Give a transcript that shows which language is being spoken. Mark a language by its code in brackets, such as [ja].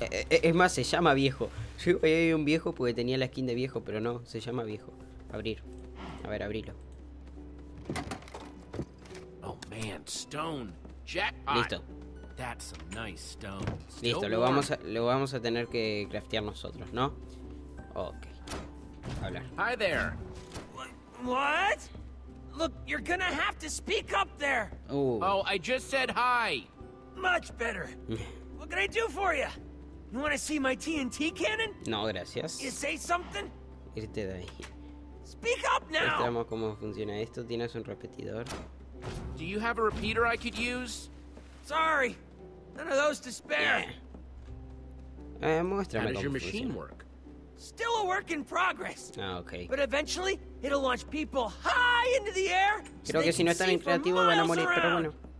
[es] Es más, se llama viejo. Sí, ahí hay un viejo porque tenía la skin de viejo, pero no, se llama viejo. Abrir. A ver, abrilo. [en] Oh man, stone. [es] Listo. [en] That's a nice stone. [es] Listo, lo vamos a tener que craftear nosotros, ¿no? Ok. Hablar. [en] Hi there. What? Look, you're gonna have to speak up there. Oh, I just said hi. Much better. What can I do for you? You want to see my TNT cannon? [es] No, gracias. [en] You say something? [es] Irte de ahí. [en] Speak up now. [es] Veamos cómo funciona esto. ¿Tienes un repetidor? [en] Do you have a repeater I could use? Sorry, none of those to spare. Yeah. [es] Muéstrame. [en] How does your machine work? Still a work in progress. Ah, okay. But eventually, it'll launch people high into the air. [es] Creo que si no están creativos van a morir, pero bueno.